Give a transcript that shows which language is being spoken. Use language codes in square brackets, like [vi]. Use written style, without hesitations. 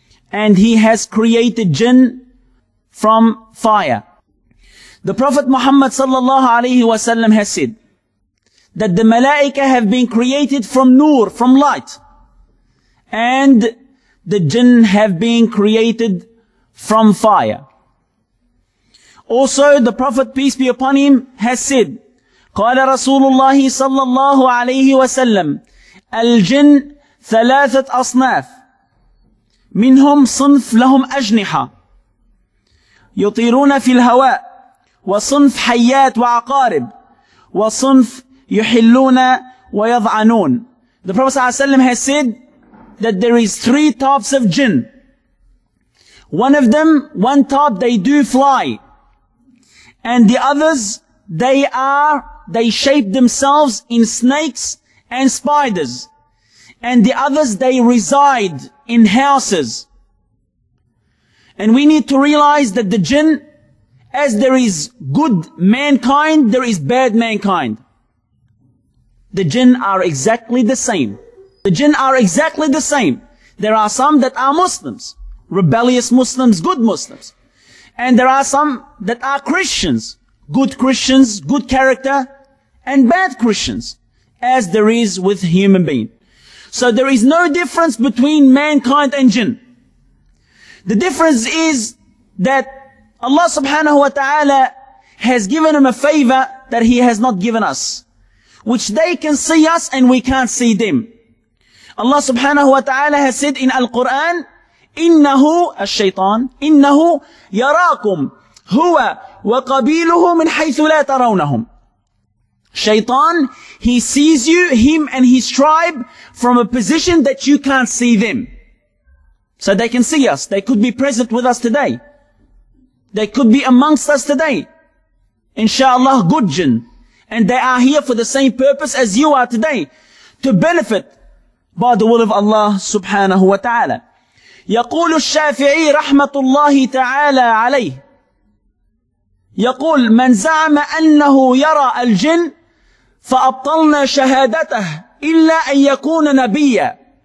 [en] And He has created jinn from fire. The Prophet Muhammad sallallahu alayhi wa sallam has said that the malaika have been created from nur, from light. And the jinn have been created from fire. Also, the Prophet, peace be upon him, has said, [ar] قال رسول الله صلى الله عليه وسلم الجن ثلاثة أصناف منهم صنف لهم أجنحة يطيرون في الهواء وصنف حيات وعقارب وصنف يحلون ويضعنون [en] The Prophet صلى الله عليه وسلم has said that there is three types of jinn. One of them, one type, they do fly. And the others, they shape themselves in snakes and spiders. And the others, they reside in houses. And we need to realize that the jinn, as there is good mankind, there is bad mankind. The jinn are exactly the same. The jinn are exactly the same. There are some that are Muslims. Rebellious Muslims, good Muslims. And there are some that are Christians, good Christians, good character, and bad Christians, as there is with human being. So there is no difference between mankind and jinn. The difference is that Allah subhanahu wa ta'ala has given him a favor that he has not given us, which they can see us and we can't see them. Allah subhanahu wa ta'ala has said in Al-Quran, [ar] إِنَّهُ الشَّيْطَانِ إِنَّهُ يَرَاكُمْ هُوَ وَقَبِيلُهُ مِنْ حَيْثُ لَا تَرَوْنَهُمْ. [en] Shaitan, he sees you, him and his tribe, from a position that you can't see them. So they can see us. They could be present with us today. They could be amongst us today. Inshallah, good jinn. And they are here for the same purpose as you are today, to benefit by the will of Allah subhanahu wa ta'ala. [ar] يقول الشافعي رحمة الله تعالى عليه يقول من زعم أنه يرى الجن فأبطلنا شهادته إلا أن يكون نبيا.